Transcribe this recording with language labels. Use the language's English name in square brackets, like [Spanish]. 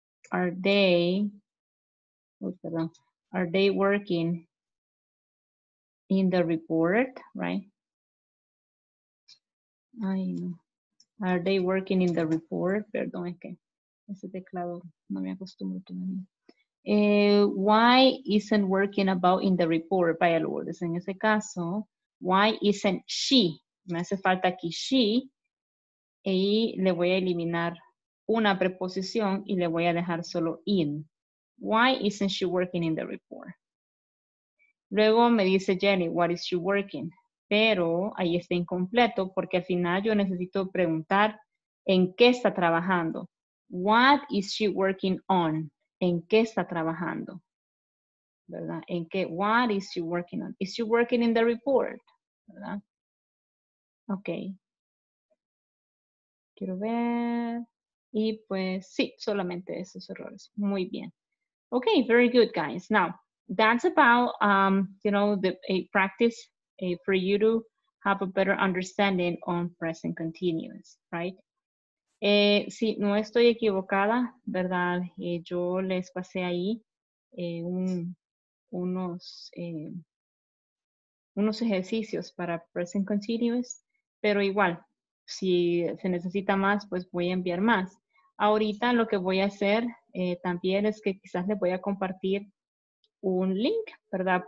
[English] Are they, are they working in the report, right? [Spanish] Ay, no. [English] Are they working in the report? [Spanish] Perdón, es que ese teclado no me acostumbro todavía. [English] Why isn't working about in the report? [Spanish] Vaya, Lourdes, en ese caso, [English] why isn't she? [Spanish] Me hace falta aquí she. Y le voy a eliminar una preposición y le voy a dejar solo in. [English] Why isn't she working in the report? [Spanish] Luego me dice [English] Jenny, what is she working? [Spanish] Pero ahí está incompleto porque al final yo necesito preguntar en qué está trabajando. [English] What is she working on? [Spanish] ¿En qué está trabajando? ¿Verdad? ¿En qué? [English] What is she working on? Is she working in the report? [Spanish] ¿Verdad? [English] Ok. [Spanish] Quiero ver. Y pues, sí, solamente esos errores. Muy bien. [English] Ok, very good, guys. Now, that's about, you know, a practice for you to have a better understanding on present continuous, right? [Spanish] Sí, no estoy equivocada, ¿verdad? Yo les pasé ahí unos ejercicios para present continuous, pero igual, si se necesita más, pues voy a enviar más. Ahorita lo que voy a hacer también es que quizás les voy a compartir un link, ¿verdad?